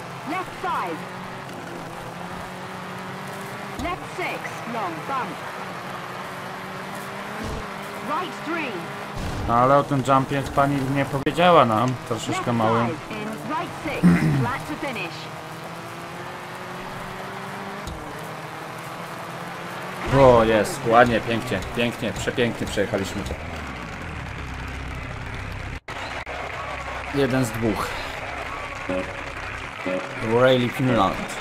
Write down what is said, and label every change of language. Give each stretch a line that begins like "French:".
English: Left five. Left six, long bump. Right three.
Polish: No ale o tym jumpie pani nie powiedziała nam, troszeczkę mały.
English: Right six, flat to finish.
Polish: O, jest, ładnie, pięknie, pięknie, przepięknie przejechaliśmy. jeden z dwóch.
English: Rally Finland.